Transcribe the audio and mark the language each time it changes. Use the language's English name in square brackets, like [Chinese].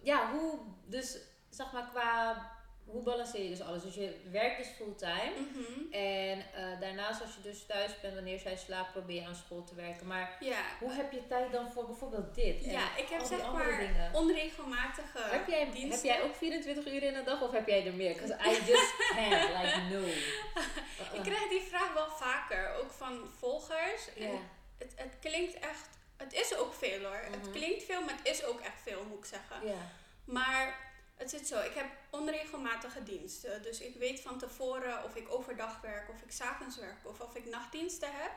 [Dutch] hoe, dus zeg maar qua, hoe balanceer je dus alles? Dus je werkt dus fulltime. Mm-hmm. En daarnaast als je dus thuis bent, wanneer zij slaapt, probeer je aan school te werken. Maar hoe heb je tijd dan voor bijvoorbeeld dit? Ja, en ik heb zeg maar onregelmatige diensten. Heb jij ook 24 uur in de dag of heb jij er meer? [English] Because I just can't, like no. [Dutch] Ik krijg die vraag wel vaker, ook van volgers. [English] Yeah. [Dutch] Het klinkt echt, het is ook veel hoor. Mm-hmm. Het klinkt veel, maar het is ook echt veel, moet ik zeggen. [English] Yeah. [Dutch] Maar... het zit zo, ik heb onregelmatige diensten. Dus ik weet van tevoren of ik overdag werk, of ik 's avonds werk, of ik nachtdiensten heb.